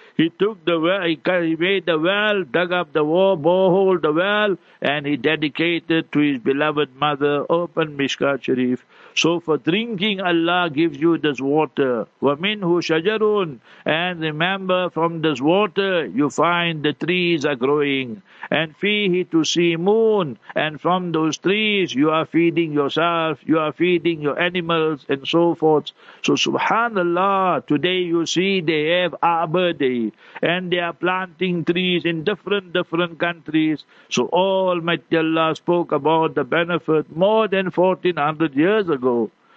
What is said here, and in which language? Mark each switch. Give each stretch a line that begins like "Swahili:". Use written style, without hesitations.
English: He took the well, he made the well, dug up the wall, borehole the well, and he dedicated to his beloved mother, open Mishkat Sharif. So for drinking, Allah gives you this water.
Arabic: وَمِنْهُ شَجَرٌ.
English: And remember, from this water, you find the trees are growing.
Arabic: And فِيهِ تُسِيمُونَ.
English: And from those trees, you are feeding yourself, you are feeding your animals, and so forth. So subhanallah, today you see they have Arbor Day. And they are planting trees in different countries. So Almighty Allah spoke about the benefit more than 1400 years ago.